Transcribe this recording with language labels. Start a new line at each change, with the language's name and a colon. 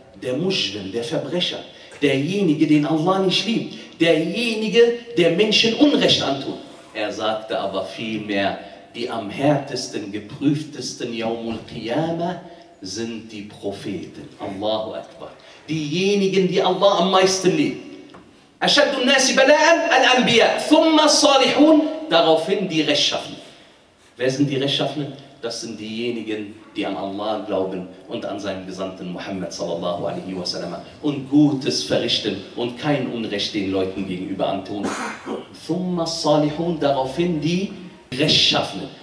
German: Der Muschrik, der Verbrecher, derjenige, den Allah nicht liebt, derjenige, der Menschen Unrecht antut. Er sagte aber vielmehr, die am härtesten, geprüftesten, Yawmul Qiyamah, sind die Propheten. Allahu Akbar. Diejenigen, die Allah am meisten liebt.
Arabic: أشد الناس بلاء الأنبياء ثم الصالحون,
German: daraufhin die Rechtschaffenen. Wer sind die Rechtschaffenen? Das sind diejenigen, die an Allah glauben und an seinen Gesandten Muhammad sallallahu alaihi wasallam und Gutes verrichten und kein Unrecht den Leuten gegenüber antun.
Arabic: ثم الصالحون,
German: daraufhin die Rechtschaffenen.